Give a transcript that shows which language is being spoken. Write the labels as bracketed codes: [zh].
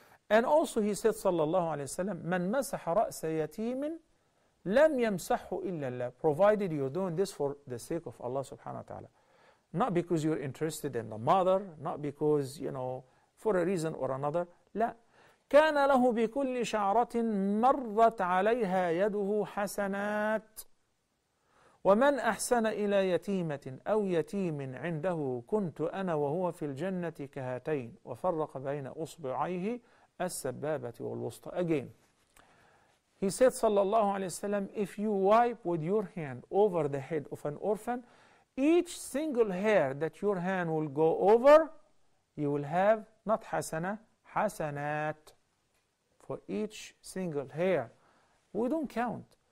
[en] And also he said [ar] sallallahu alayhi wa sallam, من مسح رأس يتيم لم يمسحه إلا الله. [en] Provided you're doing this for the sake of Allah subhanahu wa ta'ala. Not because you're interested in the mother, not because, you know, for a reason or another. [ar] لا. كان له بكل شعرة مرت عليها يده حسنات. ومن أحسن إلى يتيمة أو يتيم عنده كنت أنا وهو في الجنة كهاتين وفرق بين أصبعيه السبابة والوسطى. [en] Again, he said sallallahu alayhi wa sallam, if you wipe with your hand over the head of an orphan, each single hair that your hand will go over, you will have not hasana, hasanat. For each single hair, we don't count.